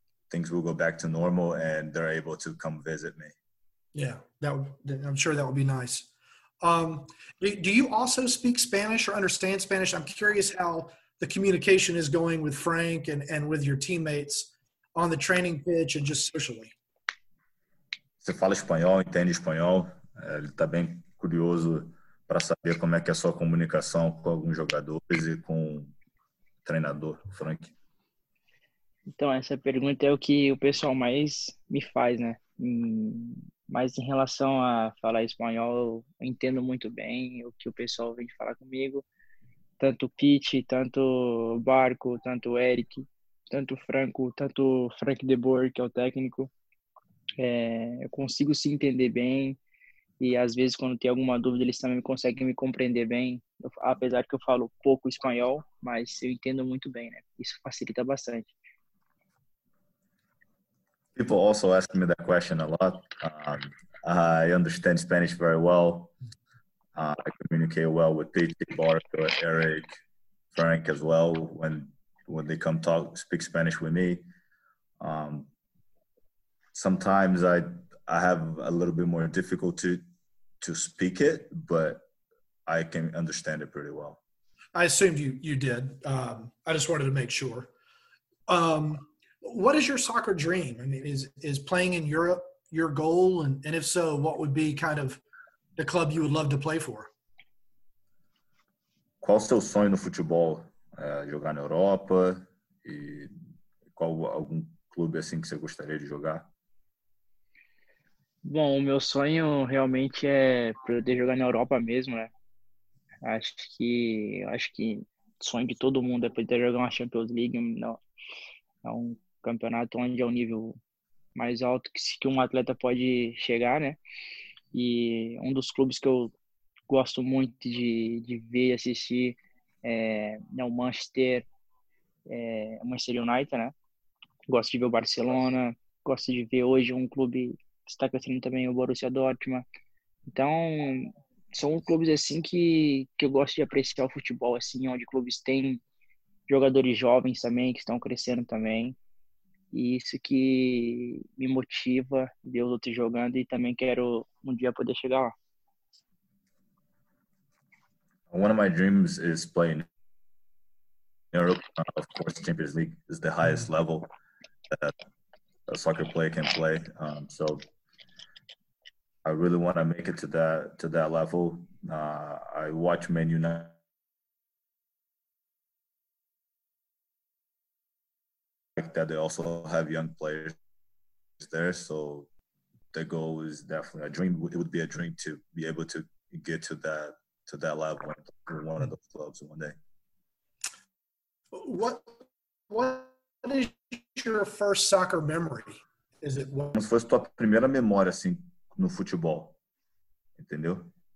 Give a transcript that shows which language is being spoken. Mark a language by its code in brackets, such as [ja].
[en] Things will go back to normal and they're able to come visit me. Yeah, I'm sure that would be nice. Do you also speak Spanish or understand Spanish? I'm curious how the communication is going with Frank and with your teammates on the training pitch and just socially. [pt] Você fala espanhol, entende espanhol? Ele está bem curioso para saber como é que é a sua comunicação com alguns jogadores e com o treinador, Frank. Então, essa pergunta é o que o pessoal mais me faz, né? Mas em relação a falar espanhol, eu entendo muito bem o que o pessoal vem falar comigo. Tanto Pete, tanto Barco, tanto Eric, tanto Franco, tanto Frank De Boer, que é o técnico. Eu consigo se entender bem. E às vezes, quando tem alguma dúvida, eles também conseguem me compreender bem. Apesar que eu falo pouco espanhol, mas eu entendo muito bem, né? Isso facilita bastante. [en] People also ask me that question a lot. I understand Spanish very well. I communicate well with Pete, Barco, Eric, Frank as well when they come speak Spanish with me. Sometimes I have a little bit more difficulty to speak it, but I can understand it pretty well. I assumed you did. I just wanted to make sure. What is your soccer dream? I mean, is playing in Europe your goal? And if so, what would be kind of the club you would love to play for? [pt] Qual seu sonho no futebol? Jogar na Europa? E qual algum clube assim que você gostaria de jogar? Bom, o meu sonho realmente é poder jogar na Europa mesmo, né? Acho que o sonho de todo mundo é poder jogar uma Champions League. É um campeonato onde é o nível mais alto que um atleta pode chegar, né? E um dos clubes que eu gosto muito de ver e assistir é o Manchester United, né? Gosto de ver o Barcelona, gosto de ver hoje um clube que está crescendo também, o Borussia Dortmund. Então, são clubes assim que eu gosto de apreciar o futebol, assim, onde clubes têm jogadores jovens também, que estão crescendo também. E isso que me motiva ver os outros jogando e também quero um dia poder chegar lá. [en] One of my dreams is playing in Europe. Of course, Champions League is the highest level that a soccer player can play. So I really want to make it to that level. I watch Man United. That they also have young players there, so the goal is definitely a dream. It would be a dream to be able to get to that level and play for one of those clubs one day. What is your first soccer memory? Is it [pt] como se fosse tua primeira memória assim no futebol, entendeu?